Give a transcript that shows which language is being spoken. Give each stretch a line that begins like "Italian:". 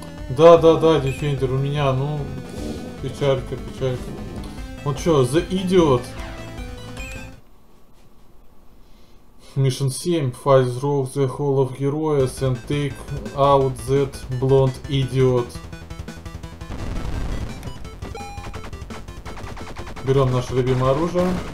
Russian: Да, да, да, Defender, у меня, ну, печалька, печалька. Ну чё, The Idiot?
English: Mission 7, fight through the Hall of Heroes and take out that blonde idiot.
Russian: Берем наше любимое оружие.